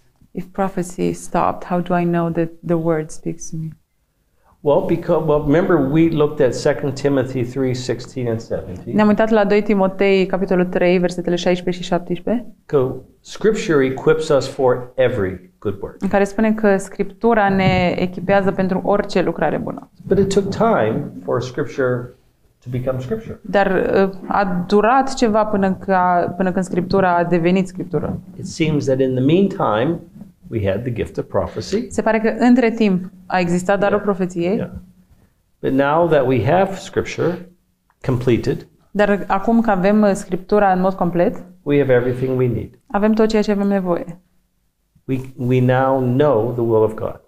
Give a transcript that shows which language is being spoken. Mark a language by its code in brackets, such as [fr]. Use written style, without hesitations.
[en] If prophecy stopped, how do I know that the word speaks to me? Well, because remember we looked at 2 Timothy 3:16 and 17. [ro] Ne-am uitat la 2 Timotei capitolul 3 versetele 16 și 17. [en] Că scripture equips us for every good work. [ro] În care spune că scriptura ne echipează pentru orice lucrare bună. [en] But it took time for scripture to become scripture. [ro] Dar a durat ceva până când scriptura a devenit scriptură. [en] It seems that in the meantime we had the gift of prophecy. [ro] Se pare că între timp a existat darul profeției. [en] Yeah. But now that we have scripture completed. [ro] Dar acum că avem scriptura în mod complet. [en] We have everything we need. [ro] Avem tot ceea ce avem nevoie. [en] We now know the will of God.